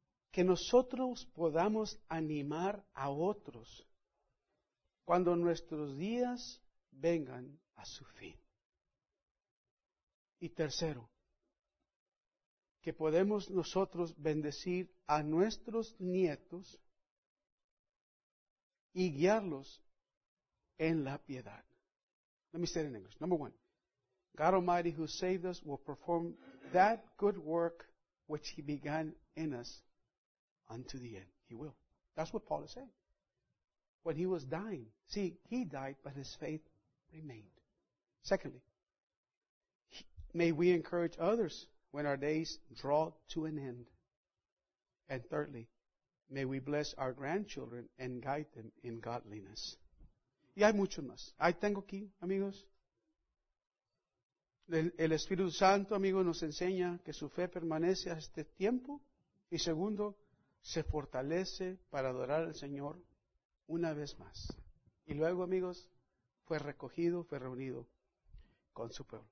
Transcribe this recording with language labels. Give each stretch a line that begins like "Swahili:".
Spanish: Que nosotros podamos animar a otros cuando nuestros días vengan a su fin. Y tercero, que podemos nosotros bendecir a nuestros nietos y guiarlos en la piedad.
English: Let me say it in English. Number one, God Almighty who saved us will perform that good work which He began in us unto the end. He will. That's what Paul is saying. When he was dying, see, he died, but his faith remained. Secondly, may we encourage others when our days draw to an end. And thirdly, may we bless our grandchildren and guide them in godliness.
Spanish: Y hay mucho más. Hay tengo aquí, amigos. El Espíritu Santo, amigo, nos enseña que su fe permanece a este tiempo. Y segundo, se fortalece para adorar al Señor una vez más. Y luego, amigos, fue recogido, fue reunido con su pueblo.